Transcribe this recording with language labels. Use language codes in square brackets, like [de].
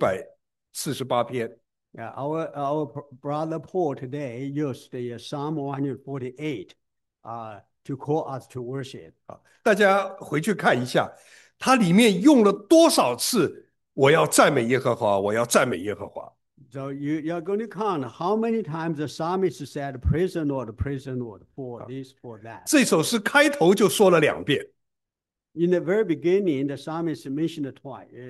[zh] 今天友强兄跟我们引用的我们的这个宣召的经文是在诗篇148篇。 [en] Our brother Paul today used the Psalm 148, to call us to worship. [zh] 大家回去看一下，它里面用了多少次"我要赞美耶和华，我要赞美耶和华"。 [en] So you're going to count how many times the psalmist said, praise the Lord, for this, for that. [zh] 这首诗开头就说了两遍, [en] In the very beginning, the psalmist mentioned it twice.